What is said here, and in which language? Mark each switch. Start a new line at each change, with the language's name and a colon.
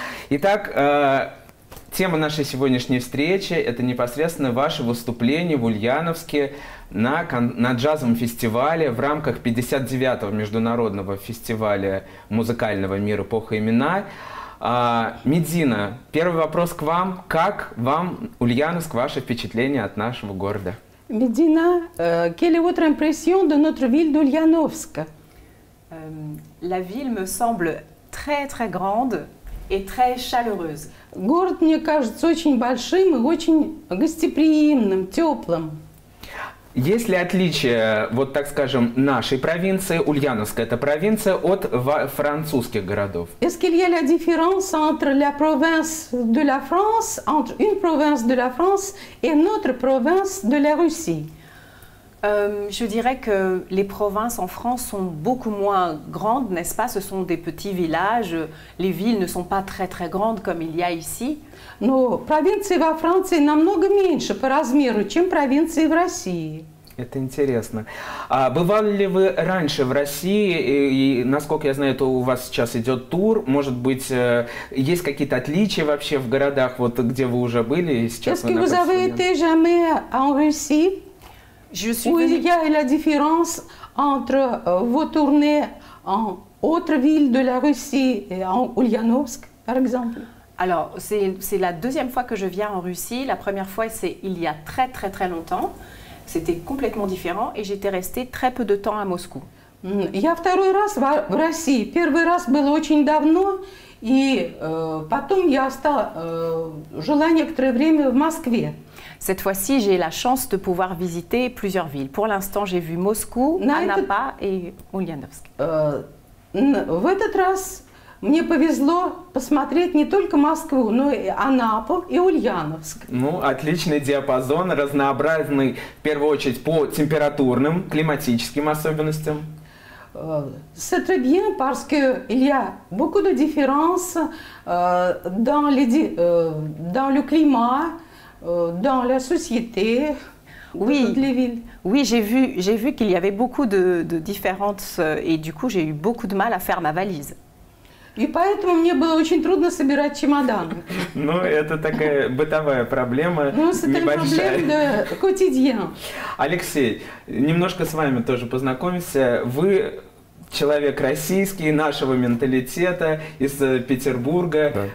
Russian: Итак, тема нашей сегодняшней встречи – это непосредственно ваше выступление в Ульяновске на джазовом фестивале в рамках 59-го международного фестиваля музыкального мира «Эпоха имена». Медина, первый вопрос к вам. Как вам Ульяновск, ваше впечатление от нашего города?
French: Медина, quelle est votre impression de notre ville d'Ульяновск? La ville me semble très très grande et très chaleureuse.
Russian: Город мне кажется очень большим и очень гостеприимным, теплым. Есть ли отличие, вот так скажем, нашей провинции, Ульяновска, это провинция, от французских городов?
French: Est-ce qu'il y a la différence entre la province de la France, entre une province de la France et une autre province de la Russie? Je dirais que les provinces en France sont beaucoup moins grandes, n'est-ce pas? Ce sont des petits villages, les villes ne sont pas très très grandes comme il y a ici.
Russian: Но провинции во Франции намного меньше по размеру, чем провинции в России. Это интересно. А бывали ли вы раньше в России? И насколько я знаю, то у вас сейчас идет тур. Может быть, есть какие-то отличия вообще в городах, вот где вы уже были и сейчас вы находитесь?
French: Est-ce que vous avez déjà été en Russie? Je suis entre vos tournées en autre ville de la Russie et en Ульяновск, par exemple? Alors, c'est la deuxième fois que je viens en Russie. La première fois, c'est il y a très très très longtemps. C'était complètement différent et j'étais restée très peu de temps à Moscou.
Russian: Я второй раз в России. Первый раз было очень давно, и потом я жила некоторое время в Москве.
French: Cette fois-ci, j'ai la chance de pouvoir visiter plusieurs villes. Pour l'instant, j'ai vu Moscou, Анапа и Ульяновск.
Russian: В этот раз мне повезло посмотреть не только Москву, но и Анапу, и Ульяновск. Ну, отличный диапазон, разнообразный, в первую очередь, по температурным, климатическим особенностям.
French: C'est très bien, parce qu'il y a beaucoup de différences dans le climat, dans la société. Oui, oui, j'ai vu qu'il y avait beaucoup de différences, et du coup, j'ai eu beaucoup de mal à faire ma valise.
Russian: И поэтому мне было очень трудно собирать чемодан. Ну, это такая бытовая проблема, небольшая. Ну, это проблема, да, Алексей, немножко с вами тоже познакомимся. Вы человек российский, нашего менталитета, из Петербурга.